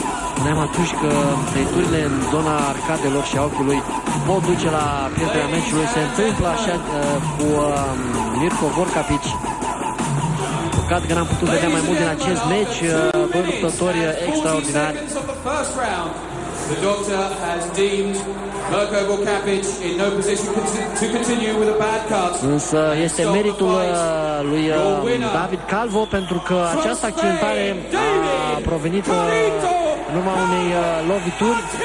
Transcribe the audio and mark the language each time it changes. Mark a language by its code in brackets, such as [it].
[ro] Spuneam atunci că tăiturile în zona arcadelor și a ochiului pot duce la pierderea meciului. Se întâmplă așa cu Mirko Vorkapić. Păcat că n-am putut vedea mai mult din acest meci, doi luptători extraordinari. [en] The doctor has deemed Mirko Vorkapić in no position to continue with a bad cut. [ro] Însă este meritul lui David Calvo, pentru că această accidentare a provenit în urma unei lovituri.